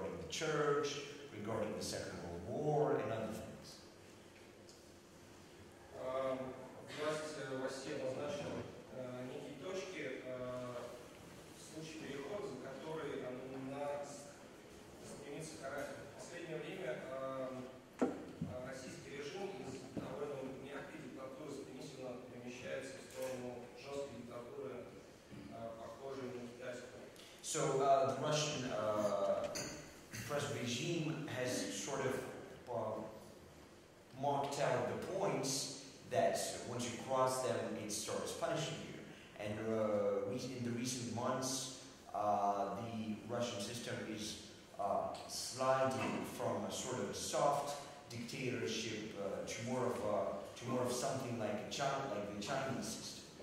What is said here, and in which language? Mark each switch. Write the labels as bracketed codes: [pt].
[en] Church, regarding the Second World War, and other things. [ru] Власть в России обозначила некие точки, случаи перехода, за которые она стремится карать. В последнее время российский режим из довольно мягкой диктатуры стремительно перемещается в сторону жесткой диктатуры, похожей на китайскую. [en] So, the Russian regime has sort of marked out the points that once you cross them, it starts punishing you. And in the recent months, the Russian system is sliding from a sort of a soft dictatorship to more of something like a child, like the Chinese system.